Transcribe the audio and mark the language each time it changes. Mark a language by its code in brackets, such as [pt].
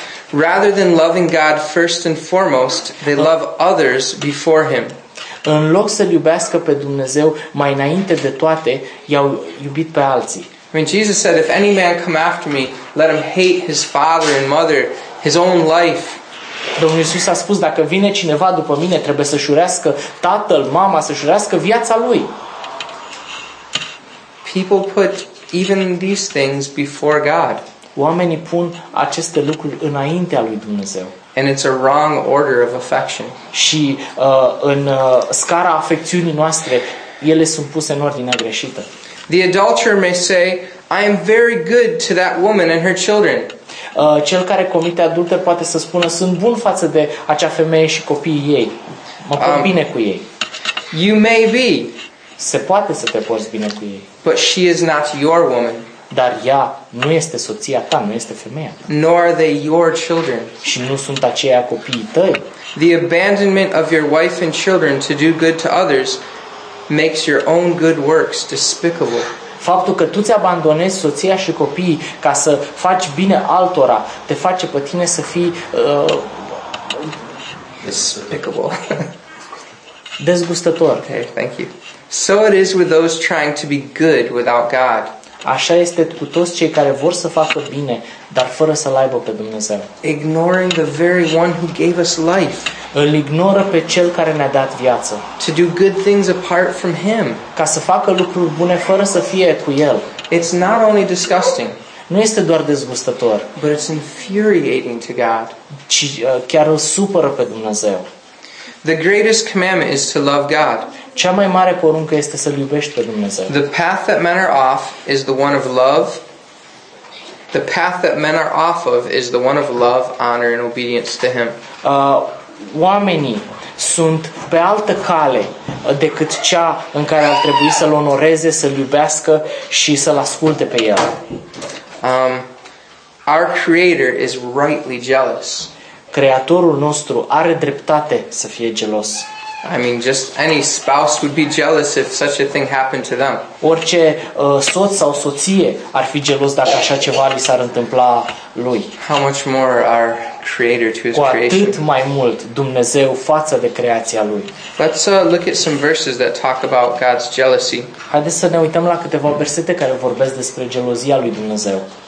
[en] Rather than loving God first and foremost, they love others before Him. [ro] În loc să-L iubească pe Dumnezeu mai înainte de toate, i-au iubit pe alții. [en] When Jesus said, if any man come after me, let him hate his father and mother, his own life. [ro] Domnul Iisus a spus, dacă vine cineva după mine, trebuie să-și urească tatăl, mama, să-și urească viața lui. [en] People put even these things before God. [ro] Oamenii pun aceste lucruri înaintea lui Dumnezeu. [en] And it's a wrong order of affection. [ro] Și în scara afecțiunii noastre, ele sunt puse în ordine greșită. [en] The adulterer may say, I am very good to that woman and her children. [ro] Cel care comite adulter poate să spună, sunt bun față de acea femeie și copiii ei. Mă pot bine cu ei. [en] You may be. [ro] Se poate să te porți bine cu ei. [en] But she is not your woman. [ro] Dar ea nu este soția ta, nu este femeia ta. [en] Nor are they your children. [ro] Și nu sunt aceia copiii tăi. [en] The abandonment of your wife and children to do good to others makes your own good works despicable. [ro] Faptul că tu ți abandonezi soția și copiii ca să faci bine altora te face pe tine să fii [en] despicable. [ro] Dezgustător. [en] Okay, thank you. So it is with those trying to be good without God. [ro] Așa este cu toți cei care vor să facă bine, dar fără să-L aibă pe Dumnezeu. [en] Ignoring the very one who gave us life. [ro] Îl ignoră pe cel care ne-a dat viață. [en] To do good things apart from Him. [ro] Ca să facă lucruri bune fără să fie cu El. [en] It's not only disgusting. [ro] Nu este doar dezgustător. [en] But it's infuriating to God. [ro] Ci chiar îl supără pe Dumnezeu. [en] The greatest commandment is to love God. [ro] Cea mai mare poruncă este să-L iubești pe Dumnezeu. [en] The path that men are off is the one of love. The path that men are off of is the one of love, honor and obedience to Him. [ro] Oamenii sunt pe altă cale decât cea în care ar trebui să-L onoreze, să-L iubească și să-L asculte pe El. [en] Our Creator is rightly jealous. [ro] Creatorul nostru are dreptate să fie gelos. [en] I mean, just any spouse would be jealous if such a thing happened to them. [ro] Orice soț sau soție ar fi gelos dacă așa ceva li s-ar întâmpla lui. [en] How much more our Creator to His creation. [ro] Cu atât mai mult Dumnezeu față de creația Lui. [en] Let's look at some verses that talk about God's jealousy. [ro] Haideți să ne uităm la câteva versete care vorbesc despre gelozia lui Dumnezeu.